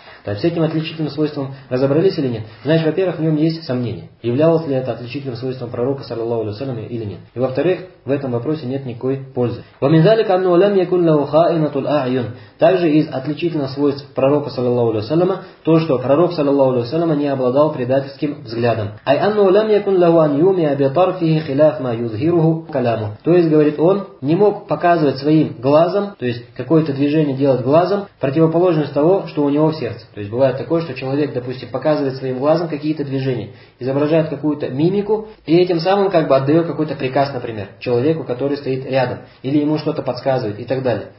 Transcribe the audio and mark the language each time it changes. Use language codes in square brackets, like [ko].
[ru] То есть с этим отличительным свойством разобрались или нет? Значит, во-первых, в нем есть сомнение, являлось ли это отличительным свойством пророка, саллаллаху алейхи ва саллям, или нет. И во-вторых, в этом вопросе нет никакой пользы. [ar] وَمِنْ ذَلِكَ أَنَّهُ لَمْ يَكُنْ لَهُ خَائِنَةُ الْأَعْيُنِ. [ru] Также из отличительных свойств пророка, саллаллаху алейхи ва саллям, то, что пророк, саллаллаху алейхи ва саллям, не обладал предательским взглядом. [ar] أي أنه لم يكن له أن يومي بطر فيه خلاف ما يظهره كلامه. [ru] То есть, говорит, он не мог показывать своим глазом, то есть какое-то движение делать глазом, противоположность того, что у него в сердце. То есть бывает такое, что человек, допустим, показывает своим глазом какие-то движения, изображает какую-то мимику и этим самым как бы отдает какой-то приказ, например, человеку, который стоит рядом, или ему что-то подсказывает и так далее.